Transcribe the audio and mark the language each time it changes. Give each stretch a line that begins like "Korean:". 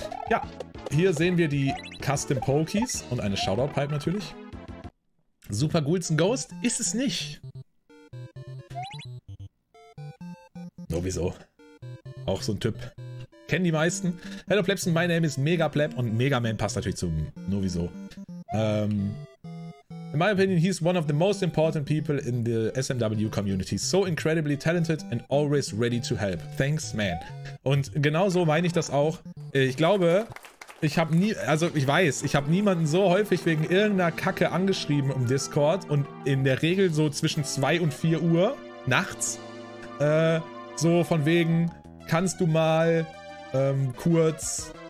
German: Ja, hier sehen wir die Custom Pokies und eine Shoutout Pipe natürlich. Super Ghouls and Ghost ist es nicht. Sowieso. Auch so ein Typ. Kennen die meisten.
English: Hello Plebsen, my name is Megapleb
German: und Megaman passt natürlich zum Sowieso.
English: In my opinion, he's one of the most important people in the SMW community. So incredibly talented and always ready to help. Thanks, man.
German: Und genau so meine ich das auch. Ich glaube, ich habe niemanden so häufig wegen irgendeiner Kacke angeschrieben im Discord und in der Regel so zwischen 2 und 4 Uhr nachts. So von wegen, kannst du mal kurz...